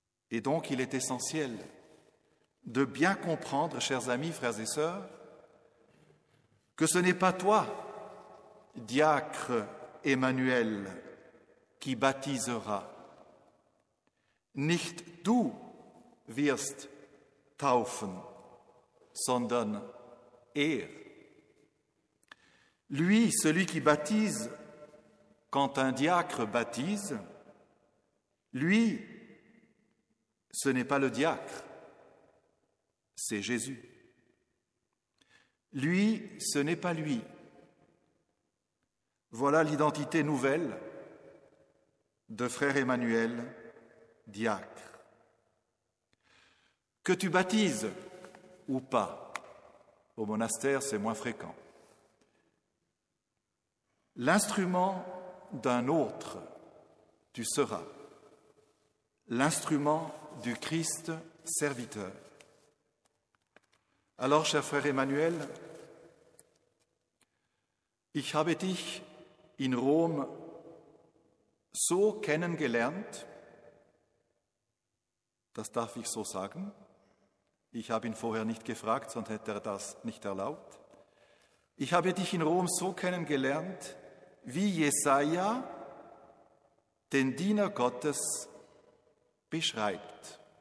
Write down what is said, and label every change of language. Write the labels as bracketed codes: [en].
[fr] Et donc, il est essentiel de bien comprendre, chers amis, frères et sœurs, que ce n'est pas toi, diacre Emmanuel, qui baptisera. [de] Nicht du wirst taufen, sondern er. [fr] Lui, celui qui baptise, quand un diacre baptise, lui, ce n'est pas le diacre, c'est Jésus. Lui, ce n'est pas lui. Voilà l'identité nouvelle de frère Emmanuel, diacre. Que tu baptises ou pas, au monastère c'est moins fréquent. L'instrument d'un autre, tu seras. L'instrument du Christ serviteur. Alors, cher frère Emmanuel, [de] ich habe dich in Rom so kennengelernt, das darf ich so sagen, ich habe ihn vorher nicht gefragt, sonst hätte er das nicht erlaubt, ich habe dich in Rom so kennengelernt, wie Jesaja den Diener Gottes beschreibt.